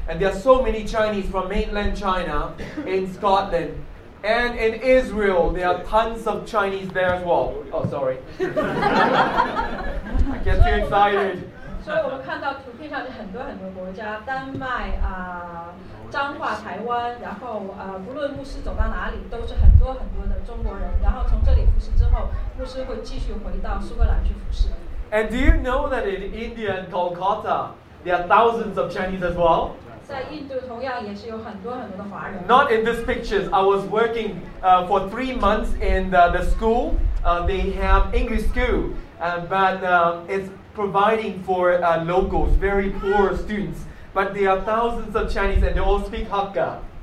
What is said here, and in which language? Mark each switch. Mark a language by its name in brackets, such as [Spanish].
[English] And there are so many Chinese from mainland China in Scotland. And in Israel, there are tons of Chinese there as well. Oh, sorry. I get too excited. [Chinese] 所以我们看到图片上很多很多国家，丹麦、彰化、台湾，然后无论牧师走到哪里，都是很多很多的中国人。然后从这里服侍之后，牧师会继续回到苏格兰去服侍。 [English] And do you know that in India and Kolkata, there are thousands of Chinese as well? [Chinese] 在印度同样也是有很多很多的华人。 [English] Not in these pictures. I was working for 3 months in the school. They have English school, but it's providing for locals, very poor students. But there are thousands of Chinese and they all speak Hakka.